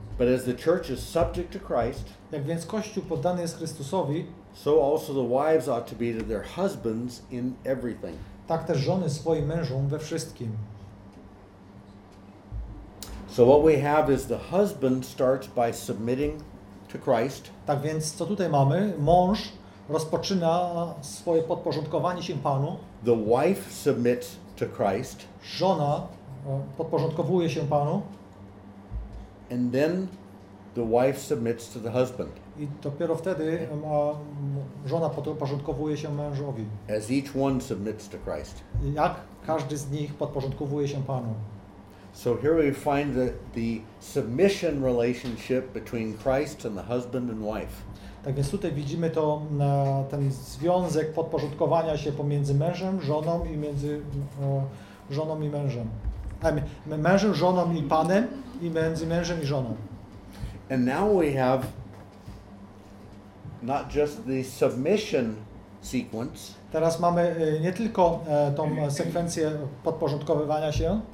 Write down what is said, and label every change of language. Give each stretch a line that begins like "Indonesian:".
English: But as the church is subject to Christ,
Polish: jak więc Kościół poddany jest Chrystusowi,
English: so also the wives ought to be to their husbands in everything.
Polish: Tak też żony swoim mężom we wszystkim.
English: So what we have is the husband starts by submitting to Christ.
Polish: Tak więc co tutaj mamy? Mąż rozpoczyna swoje podporządkowanie się Panu.
English: The wife submits to Christ.
Polish: Żona podporządkowuje się Panu.
English: And then the wife submits to the husband.
Polish: I dopiero wtedy żona podporządkowuje się mężowi.
English: As each one submits to Christ.
Polish: Jak każdy z nich podporządkowuje się Panu.
English: So here we find the submission relationship between Christ and the husband and wife.
Polish: Tak więc tutaj widzimy to, ten związek podporządkowania się pomiędzy mężem, żoną i między żoną i mężem. Mężem, żoną i panem i między mężem i żoną.
English: And now we have not just the submission sequence.
Polish: Teraz mamy nie tylko tą sekwencję podporządkowywania się,